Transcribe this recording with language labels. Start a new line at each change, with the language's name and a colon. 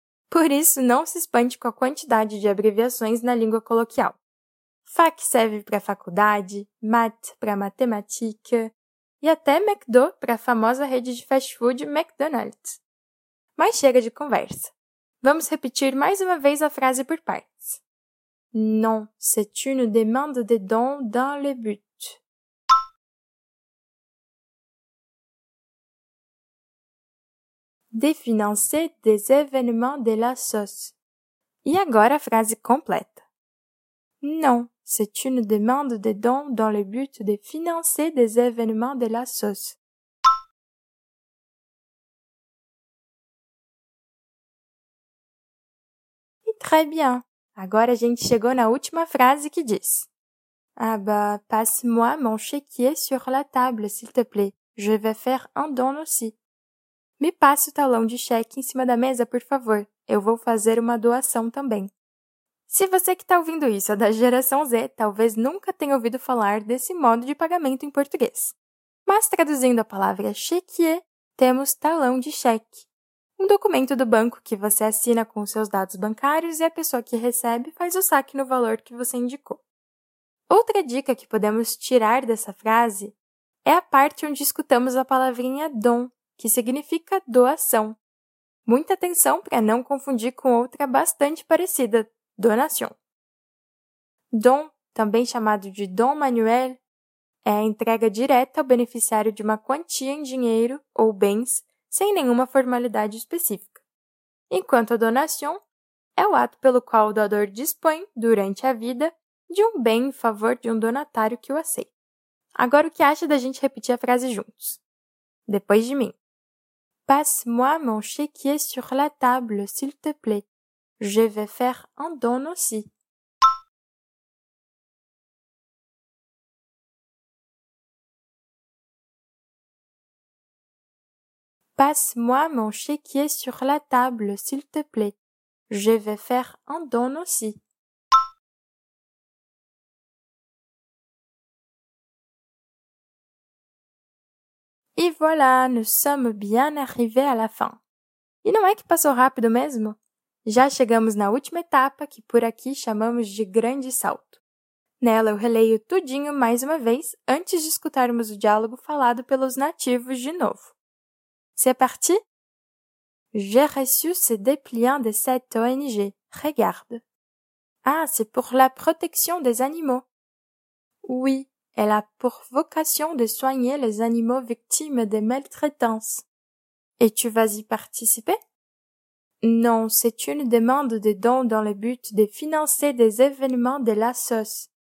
Portuguese: Por isso, não se espante com a quantidade de abreviações na língua coloquial. FAC serve para faculdade, MAT para matemática e até McDo para a famosa rede de fast food McDonald's. Mas chega de conversa. Vamos repetir mais uma vez a frase por partes.
French: Non, c'est une demande de don dans le but. De financer des événements de la sauce.
Portuguese: E agora a frase completa.
French: Non, c'est une demande de don dans le but de financer des événements de la sauce. E très bien.
Portuguese: Agora a gente chegou na última frase que diz.
French: Ah bah, passe-moi mon chéquier sur la table, s'il te plaît. Je vais faire un don aussi.
Portuguese: Me passe o talão de cheque em cima da mesa, por favor. Eu vou fazer uma doação também. Se você que está ouvindo isso é da geração Z, talvez nunca tenha ouvido falar desse modo de pagamento em português. Mas traduzindo a palavra chequier, temos talão de cheque. Um documento do banco que você assina com os seus dados bancários e a pessoa que recebe faz o saque no valor que você indicou. Outra dica que podemos tirar dessa frase é a parte onde escutamos a palavrinha don, que significa doação. Muita atenção para não confundir com outra bastante parecida, donation. Don, também chamado de don manuel, é a entrega direta ao beneficiário de uma quantia em dinheiro ou bens, sem nenhuma formalidade específica. Enquanto a donation é o ato pelo qual o doador dispõe, durante a vida, de um bem em favor de um donatário que o aceita. Agora, o que acha da gente repetir a frase juntos? Depois de mim.
French: Passe-moi mon chéquier sur la table, s'il te plaît. Je vais faire un don aussi. Passe-moi mon chéquier sur la table, s'il te plaît. Je vais faire un don aussi. Et voilà, nous sommes bien arrivés à la fin.
Portuguese: E não é que passou rápido mesmo? Já chegamos na última etapa, que por aqui chamamos de grande salto. Nela eu releio tudinho mais uma vez, antes de escutarmos o diálogo falado pelos nativos de novo.
French: C'est parti? J'ai reçu ces dépliants de cette ONG. Regarde. Ah, c'est pour la protection des animaux. Oui. Elle a pour vocation de soigner les animaux victimes de maltraitance. Et tu vas y participer? Non, c'est une demande de don dans le but de financer des événements de la sauce.